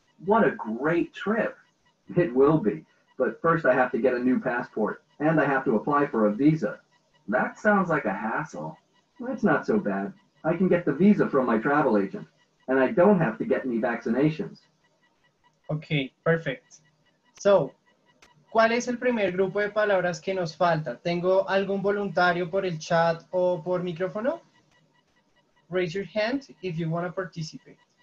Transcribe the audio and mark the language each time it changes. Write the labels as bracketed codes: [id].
[en] What a great trip. It will be, but first I have to get a new passport, and I have to apply for a visa. That sounds like a hassle. It's not so bad. I can get the visa from my travel agent, and I don't have to get any vaccinations. Okay, perfect. [es] So, ¿cuál es el primer grupo de palabras que nos falta? ¿Tengo algún voluntario por el chat o por micrófono? [en] Raise your hand if you want to participate.